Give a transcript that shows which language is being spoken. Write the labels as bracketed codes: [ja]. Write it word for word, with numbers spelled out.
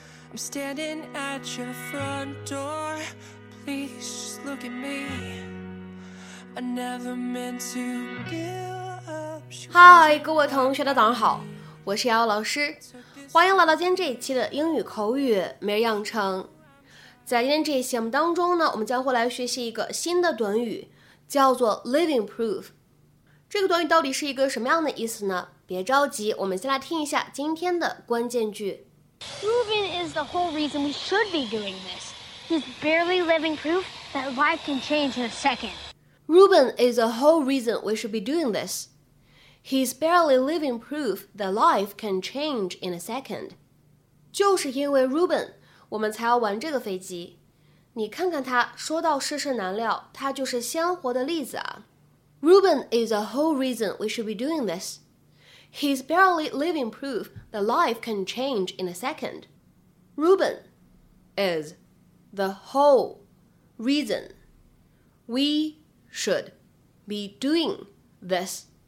[en] I'm standing at your front door, please just look at me. I never meant to give up. [zh] 嗨，各位同学的早上好，我是瑶瑶老师，欢迎来到今天这一期的英语口语每日养成。在今天这一期节目当中呢，我们将会来学习一个新的短语，叫做 living proof。这个短语到底是一个什么样的意思呢？别着急，我们先来听一下今天的关键句。 [en] Proving is the whole reason we should be doing this. He's barely living proof that life can change in a second. Ruben is the whole reason we should be doing this. He's barely living proof that life can change in a second. [zh] 就是因为 Ruben， 我们才要玩这个飞机。你看看他，说到世事难料，他就是鲜活的例子啊。 [en] Ruben is the whole reason we should be doing this. He's barely living proof that life can change in a second. Ruben is the whole reason we should be doing this.